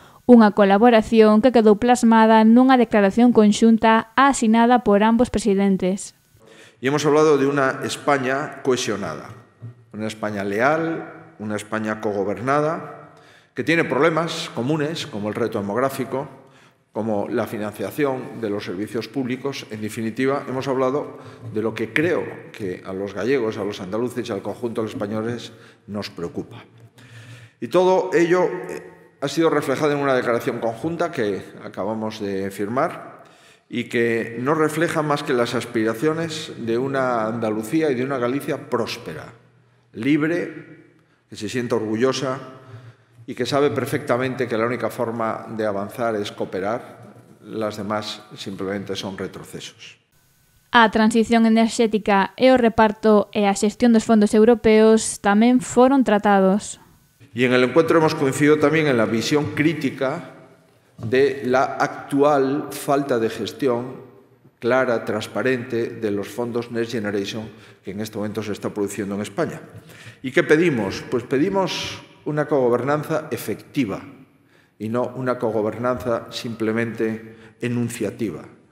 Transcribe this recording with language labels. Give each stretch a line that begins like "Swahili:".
Galician: Unha colaboración que quedou plasmada nunha declaración conxunta asinada por ambos presidentes.
Spanish: E hemos hablado de unha España cohesionada, unha España leal, unha España cogobernada, que tiene problemas comunes como el reto demográfico, como la financiación de los servicios públicos. En definitiva, hemos hablado de lo que creo que a los gallegos, a los andaluces y al conjunto de los españoles nos preocupa. Y todo ello ha sido reflejado en una declaración conjunta que acabamos de firmar y que no refleja más que las aspiraciones de una Andalucía y de una Galicia próspera, libre, que se sienta orgullosa y que sabe perfectamente que la única forma de avanzar es cooperar, las demás simplemente son retrocesos.
Galician: A transición energética e o reparto e a xestión dos fondos europeos tamén foron tratados.
Spanish: Y en el encuentro hemos coincidido también en la visión crítica de la actual falta de gestión clara, transparente, de los fondos Next Generation que en este momento se está produciendo en España. ¿Y qué pedimos? Pues pedimos una cogobernanza efectiva y no una cogobernanza simplemente enunciativa.